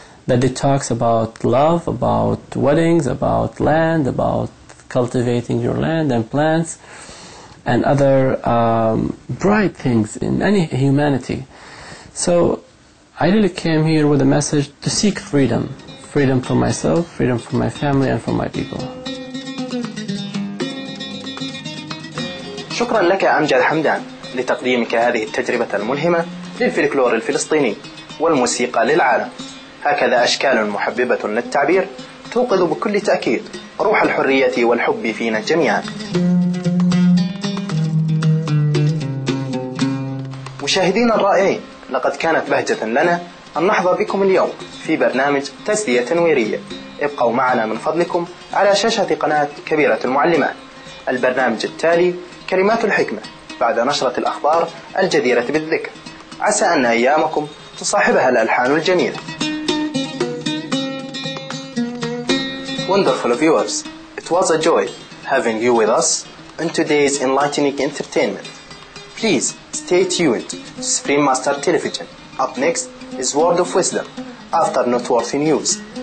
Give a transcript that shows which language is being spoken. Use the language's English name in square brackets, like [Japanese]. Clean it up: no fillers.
[English] That it talks about love, about weddings, about land, about cultivating your land and plants, and other bright things in any humanity. So I really came here with a message to seek freedom. Freedom for myself, freedom for my family, and for my people. [Arabic] شكرا لك أمجد حمدان لتقديمك هذه التجربة الملهمة للفلكلور الفلسطيني والموسيقى للعالم. هكذا أشكال محببة للتعبير توقظ بكل تأكيد روح الحرية والحب فينا جميعا. مشاهدين الرائعين، لقد كانت بهجة لنا أن نحظى بكم اليوم في برنامج تسلية تنويرية. ابقوا معنا من فضلكم على شاشة قناة كبيرة المعلمات. البرنامج التالي كلمات الحكمة بعد نشرة الأخبار الجديرة بالذكر. عسى أن أيامكم تصاحبها الألحان الجميلة. [English] Wonderful viewers, it was a joy having you with us in today's enlightening entertainment. Please stay tuned to Supreme Master Television. Up next is Word of Wisdom after Noteworthy News.